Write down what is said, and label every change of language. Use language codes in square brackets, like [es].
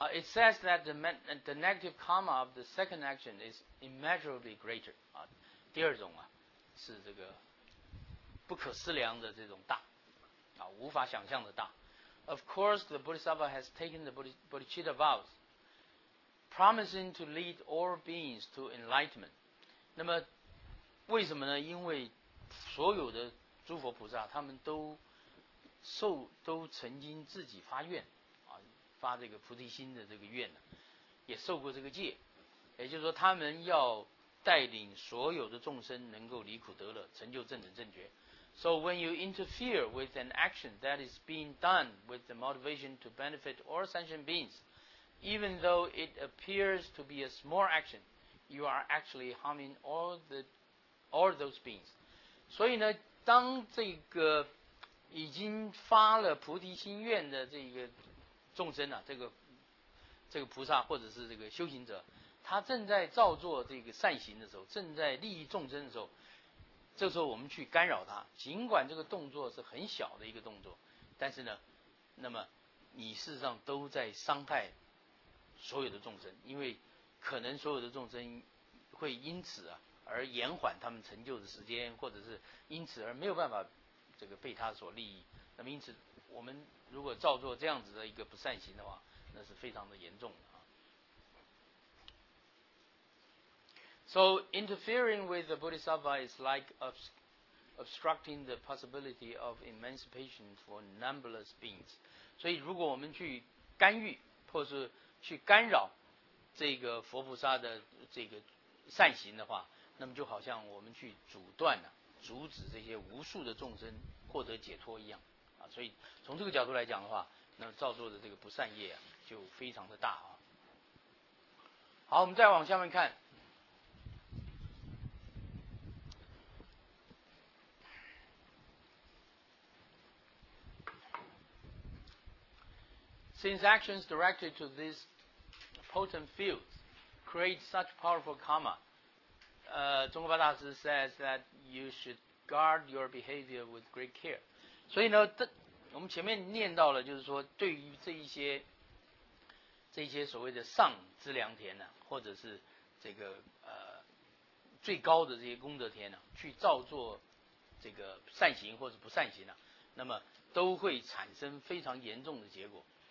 [en] It says that the negative karma of the second action is immeasurably greater. [zh] 第二种啊，是这个不可思量的这种大，无法想象的大。 [en] Of course, the Bodhisattva has taken the Bodhicitta vows, promising to lead all beings to enlightenment. [zh] 那么为什么呢？因为所有的诸佛菩萨他们都曾经自己发愿发这个菩提心的这个愿呢，也受过这个戒，也就是说他们要带领所有的众生能够离苦得乐，成就正等正觉。 [en] So when you interfere with an action that is being done with the motivation to benefit all sentient beings, even though it appears to be a small action, you are actually harming all those beings. [zh] 所以呢，当这个已经发了菩提心愿的这个众生啊，这个菩萨或者是这个修行者，他正在造作这个善行的时候，正在利益众生的时候，这时候我们去干扰他，尽管这个动作是很小的一个动作，但是呢，那么你事实上都在伤害所有的众生，因为可能所有的众生会因此啊而延缓他们成就的时间，或者是因此而没有办法这个被他所利益。那么因此我们如果照做这样子的一个不善行的话，那是非常的严重的。 [en] So interfering with the Bodhisattva is like obstructing the possibility of emancipation for numberless beings. [zh] 所以如果我们去干预或是去干扰这个佛菩萨的这个善行的话，那么就好像我们去阻断了，阻止这些无数的众生获得解脱一样。所以从这个角度来讲的话，那造作的这个不善业啊就非常的大啊。好，我们再往下面看。 [en] Since actions directed to this potent field create such powerful karma, 中国巴大师 says that you should guard your behavior with great care. [zh] 所以呢，我们前面念到了，就是说对于这一些所谓的上资粮田呢、啊、或者是这个最高的这些功德田呢、啊、去造作这个善行或者不善行呢、啊、那么都会产生非常严重的结果。